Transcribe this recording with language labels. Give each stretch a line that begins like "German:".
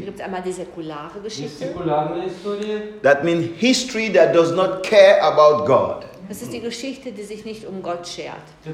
German: Da gibt's einmal die säkulare Geschichte.
English: That means history that does not care about God.
German: Das ist die Geschichte, die sich nicht um Gott schert.